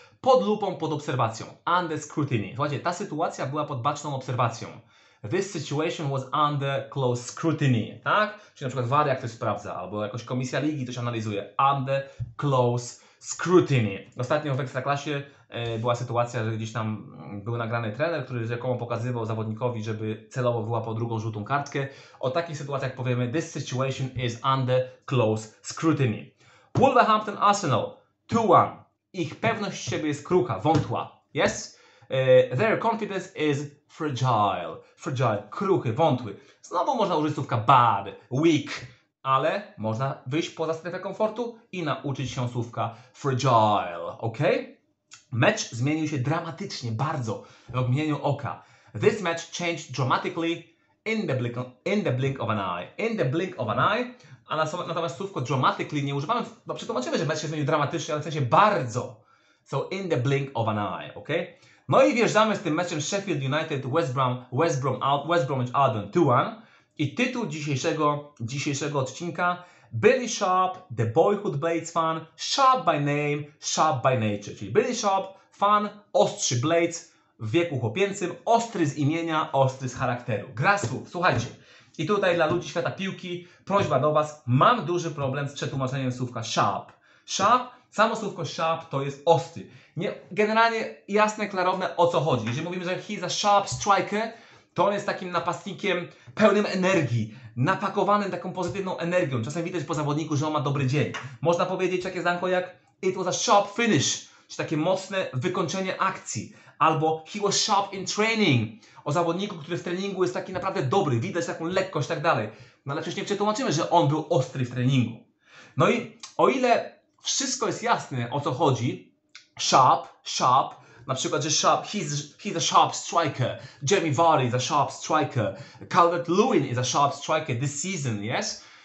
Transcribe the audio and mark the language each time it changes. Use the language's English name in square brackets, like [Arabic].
[Polish] Pod lupą, pod obserwacją. [English] Under scrutiny. [Polish] Słuchajcie, ta sytuacja była pod baczną obserwacją. [English] This situation was under close scrutiny, tak? [Polish] Czyli na przykład VAR jak ktoś sprawdza, albo jakoś komisja ligi coś analizuje. [English] Under close scrutiny. [Polish] Ostatnio w Ekstraklasie była sytuacja, że gdzieś tam był nagrany trener, który rzekomo pokazywał zawodnikowi, żeby celowo wyłapał drugą żółtą kartkę. O takich sytuacjach powiemy, [English] this situation is under close scrutiny. [Polish] Wolverhampton Arsenal, 2-1. Ich pewność siebie jest krucha, wątła. Yes? [English] Their confidence is fragile. Fragile, [Polish] kruchy, wątły. Znowu można użyć słówka bad, weak, ale można wyjść poza strefę komfortu i nauczyć się słówka fragile, ok? Mecz zmienił się dramatycznie, bardzo, w mgnieniu oka. [English] This match changed dramatically in the blink of an eye. In the blink of an eye, [Polish] A natomiast słówko dramatically nie używamy, no przetłumaczymy, że mecz się zmienił dramatycznie, ale w sensie bardzo. [English] So in the blink of an eye, ok? [Polish] No i wjeżdżamy z tym meczem Sheffield United, West Bromwich Albion 2-1. I tytuł dzisiejszego odcinka: [English] Billy Sharp, the boyhood Blades fan, sharp by name, sharp by nature. [Polish] Czyli Billy Sharp, fan, ostrzy Blades w wieku chłopięcym, ostry z imienia, ostry z charakteru. Gra słów, słuchajcie. I tutaj dla ludzi świata piłki, prośba do Was, mam duży problem z przetłumaczeniem słówka sharp. Sharp, samo słówko sharp to jest ostry. Nie, generalnie jasne, klarowne o co chodzi. Jeżeli mówimy, że [English] he's a sharp striker, [Polish] to on jest takim napastnikiem pełnym energii, napakowanym taką pozytywną energią. Czasem widać po zawodniku, że on ma dobry dzień. Można powiedzieć takie zdanko jak [English] it was a sharp finish, [Polish] czy takie mocne wykończenie akcji. [English] Albo he was sharp in training. [Polish] O zawodniku, który w treningu jest taki naprawdę dobry, widać taką lekkość i tak dalej. No ale przecież nie przetłumaczymy, że on był ostry w treningu. No i o ile wszystko jest jasne, o co chodzi, [English] sharp, na przykład, że sharp, he's a sharp striker, Jamie Vardy is a sharp striker, Calvert-Lewin is a sharp striker this season, yes?